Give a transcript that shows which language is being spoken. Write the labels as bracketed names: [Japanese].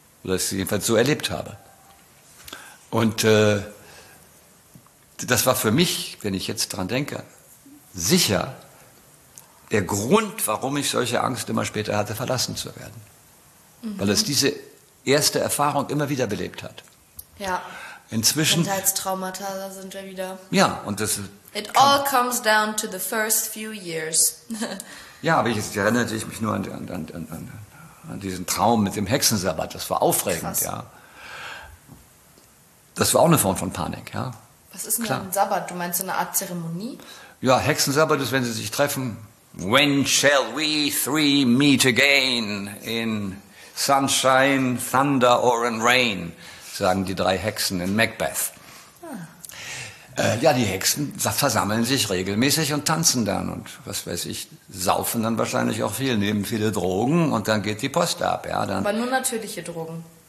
[German] Oder es jedenfalls so erlebt habe. Und das war für mich, wenn ich jetzt dran denke, sicher der Grund, warum ich solche Angst immer später hatte, verlassen zu werden. Mhm. Weil es diese erste Erfahrung immer wieder belebt hat. Ja. Inzwischen. Kindheitstraumata sind wir wieder. Ja, und das. [English] It all comes down to the first few years. [German] Ja, aber ich erinnere mich nur an diesen Traum mit dem Hexensabbat. Das war aufregend, krass. Ja. Das war auch eine Form von Panik, ja. Was ist denn klar. Ein Sabbat? Du meinst so eine Art Zeremonie? Ja, Hexensabbat ist, wenn sie sich treffen. [English] When shall we three meet again? In sunshine, thunder or in rain? [German] Sagen die drei Hexen in Macbeth. Ja, die Hexen versammeln sich regelmäßig und tanzen dann und, was weiß ich, saufen dann wahrscheinlich auch viel, nehmen viele Drogen und dann geht die Post ab. Ja, dann aber nur natürliche Drogen.